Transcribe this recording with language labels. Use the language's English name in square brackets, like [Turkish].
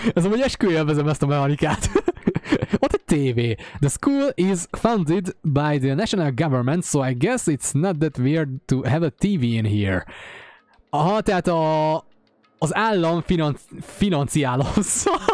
[Hungarian] Ez amúgy esküvőjel vezem ezt a mechanikát. [English] What a TV! The school is funded by the national government, so I guess it's not that weird to have a TV in here. [Hungarian] Aha, tehát az állam financiálozza.